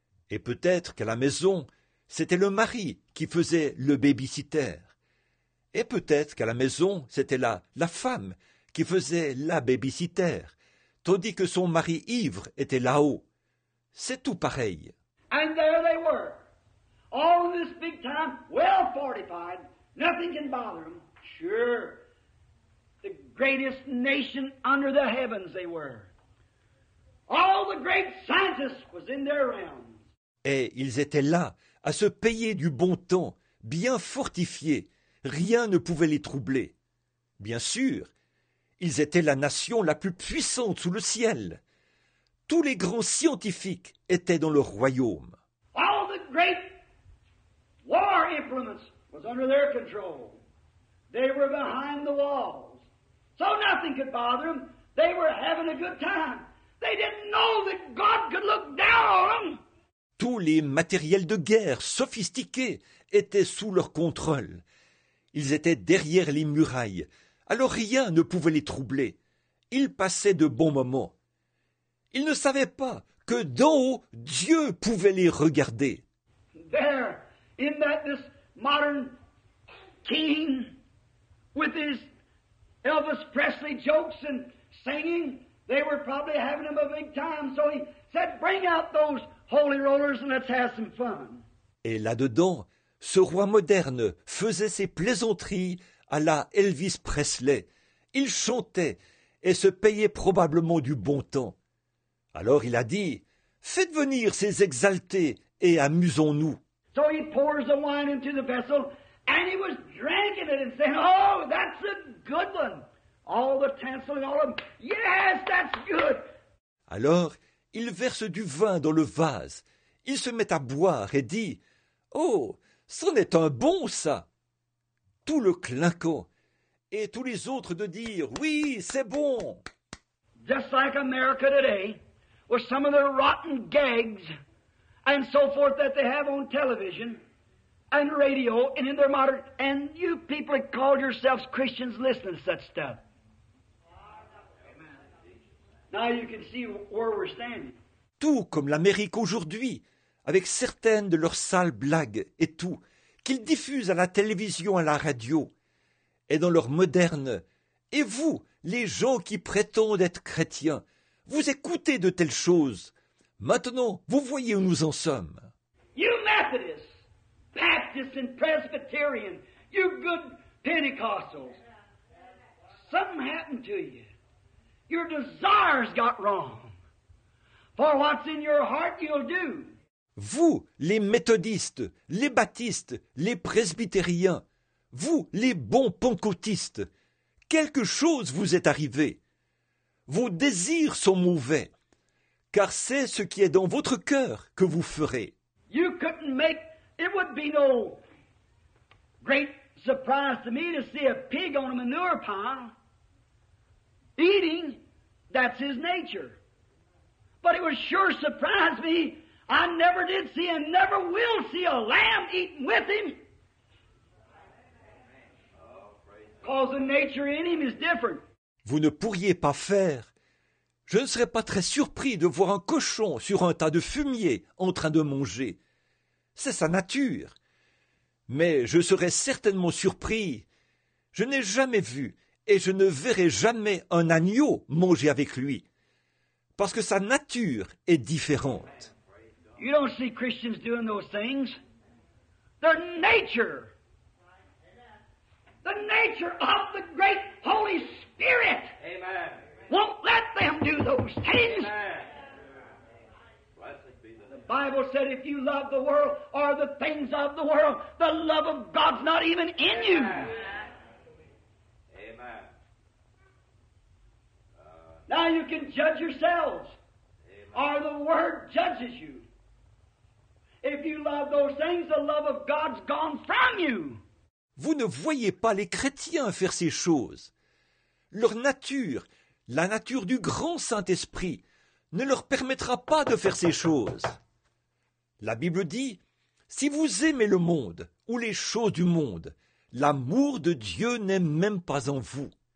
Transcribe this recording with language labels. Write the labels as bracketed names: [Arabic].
[French] Et peut-être qu'à la maison, c'était le mari qui faisait le babysitter. Et peut-être qu'à la maison, c'était la femme qui faisait la babysitter, tandis que son mari ivre était là-haut. C'est tout pareil. [English] And there they were, all in this big town, well fortified. Nothing can bother them. Sure, the greatest nation under the heavens they were. All the great scientists was in their realms. [French] Et ils étaient là, à se payer du bon temps, bien fortifiés. Rien ne pouvait les troubler. Bien sûr, ils étaient la nation la plus puissante sous le ciel. Tous les grands scientifiques étaient dans leur royaume. [English] All the great war implements was under their control. They were behind the walls. So nothing could bother them. They were having a good time. They didn't know that God could look down on them. [French] Tous les matériels de guerre sophistiqués étaient sous leur contrôle. Ils étaient derrière les murailles. Alors rien ne pouvait les troubler. Ils passaient de bons moments. Ils ne savaient pas que d'en haut, Dieu pouvait les regarder. [English] There, in that this modern king with his Elvis Presley jokes and singing, they were probably having him a big time. So he said, bring out those holy rollers and let's have some fun. [French] Et là-dedans, ce roi moderne faisait ses plaisanteries à la Elvis Presley. Il chantait et se payait probablement du bon temps. Alors il a dit, « Faites venir ces exaltés et amusons-nous. » [English] So he pours the wine into the vessel, and he was drinking it and saying, « Oh, that's a good one. » All the tinsel and all of them, « Yes, that's good. » [French] Alors il verse du vin dans le vase. Il se met à boire et dit, « Oh, c'en est un bon, ça. » Tout le clinquant et tous les autres de dire, « Oui, c'est bon. » [English] Just like America today, with some of their rotten gags and so forth that they have on television and radio and in their modern... And you people that call yourselves Christians listen to such stuff. Amen. Now you can see where we're standing. [French] Tout comme l'Amérique aujourd'hui, avec certaines de leurs sales blagues et tout, qu'ils diffusent à la télévision, à la radio, et dans leur moderne. Et vous, les gens qui prétendent être chrétiens, vous écoutez de telles choses. Maintenant, vous voyez où nous en sommes. [English] You Methodists, Baptists and Presbyterians, you good Pentecostals, something happened to you. Your desires got wrong. For what's in your heart, you'll do. [French] Vous, les méthodistes, les baptistes, les presbytériens, vous, les bons pentecôtistes, quelque chose vous est arrivé. Vos désirs sont mauvais, car c'est ce qui est dans votre cœur que vous ferez. [English] You couldn't make, it would be no great surprise to me to see a pig on a manure pile eating, that's his nature. But it would sure surprise me, I never did see and never will see a lamb eating with him. Because the nature in him is different. [French] Vous ne pourriez pas faire. Je ne serais pas très surpris de voir un cochon sur un tas de fumier en train de manger. C'est sa nature. Mais je serais certainement surpris. Je n'ai jamais vu et je ne verrai jamais un agneau manger avec lui. Parce que sa nature est différente. [English] You don't see Christians doing those things. Their nature. The nature of the great Holy Spirit. Amen. Won't let them do those things. Amen. The Bible said if you love the world or the things of the world, the love of God's not even in you. Amen. Now you can judge yourselves. Amen. Or the Word judges you. If you love those things, the love of God's gone from you. [French] Vous ne voyez pas les chrétiens faire ces choses. Leur nature, la nature du grand Saint-Esprit, ne leur permettra pas de faire ces choses. La Bible dit, « Si vous aimez le monde ou les choses du monde, l'amour de Dieu n'est même pas en vous.